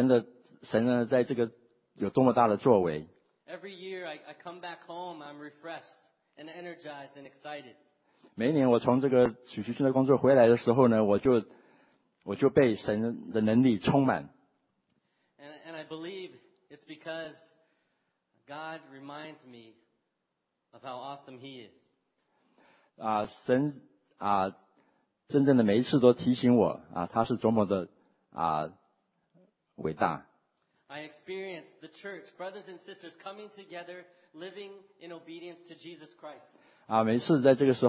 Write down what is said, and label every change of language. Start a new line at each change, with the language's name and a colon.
Chinese: 可是呢，这个我自己也提醒我自己，这个神呢，在这个有多么大的作为
English: ？Every year, I come back home, I'm refreshed and energized and excited.
Chinese: 每一年我从这个暑期宣教工作回来的时候呢，我就被神的能力充满。
English: And I believe it's because God reminds me of how awesome He is.
Chinese: 神真正的每一次都提醒我，他是多么的伟大。
English: I experience the church, brothers and sisters, coming together, living in obedience to Jesus Christ.